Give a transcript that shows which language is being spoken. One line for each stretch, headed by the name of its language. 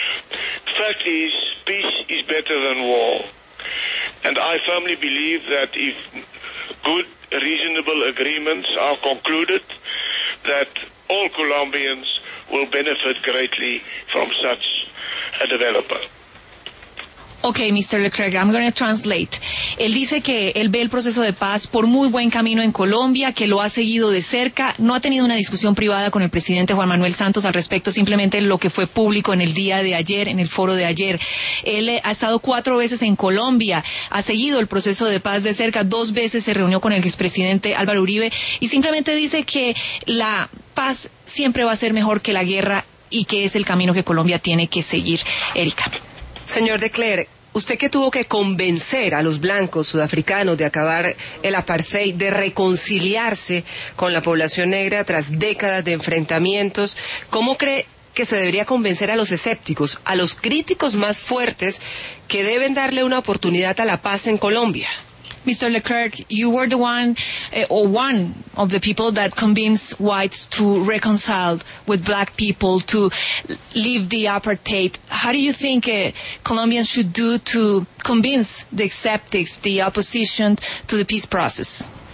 English: The fact is, peace is better than war. And I firmly believe that if good, reasonable agreements are concluded, that all Colombians will benefit greatly from such a developer. Okay, Mr. de Klerk, I'm going to translate.
Spanish: Él dice que él ve el proceso de paz por muy buen camino en Colombia, que lo ha seguido de cerca. No ha tenido una discusión privada con el presidente Juan Manuel Santos al respecto, simplemente lo que fue público en el día de ayer, en el foro de ayer. Él ha estado 4 veces en Colombia, ha seguido el proceso de paz de cerca, 2 veces se reunió con el expresidente Álvaro Uribe, y simplemente dice que la paz siempre va a ser mejor que la guerra y que es el camino que Colombia tiene que seguir, Erika. Señor de Klerk, usted que tuvo que convencer a los blancos sudafricanos de acabar el apartheid, de reconciliarse con la población negra tras décadas de enfrentamientos, ¿cómo cree que se debería convencer a los escépticos, a los críticos más fuertes, que deben darle una oportunidad a la paz en Colombia?
English: Mr. de Klerk, you were the one or one of the people that convinced whites to reconcile with black people to leave the apartheid. How do you think Colombians should do to convince the skeptics, the opposition, to the peace process?